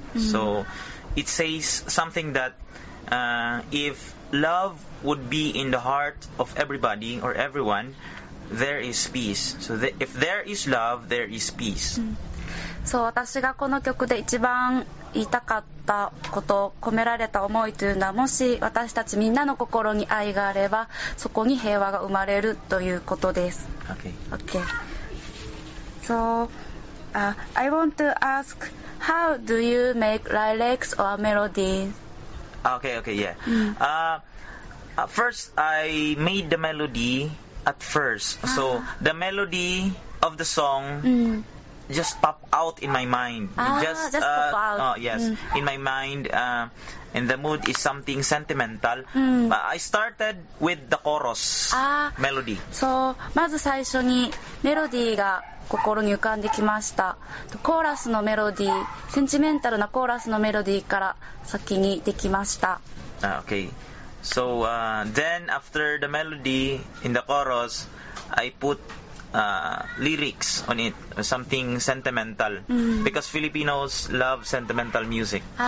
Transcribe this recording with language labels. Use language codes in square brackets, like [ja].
[en] So it says something that if love would be in the heart of everybody or everyone,There is peace. So if there is love, there is peace. [ja] そう、私がこの曲で一番言いたかったこと、込められた思いというのは、もし私たちみんなの心に愛があれば、そこに平和が生まれるということです。 [en] Okay. Okay. So, I want to ask, how do you make lyrics or melody? Okay, okay, yeah. First, I made the melody at first. So, the melody of the song just pop out in my mind. Just pop out. Oh, yes, in my mind, and the mood is something sentimental. I started with the chorus melody. [ja] So, まず最初にメロディーが心に浮かんできました。コーラスのメロディー、センチメンタルなコーラスのメロディーから先にできました。 [en] Okay. So, then after the melody in the chorus, I putlyrics on it, something sentimental, because Filipinos love sentimental music.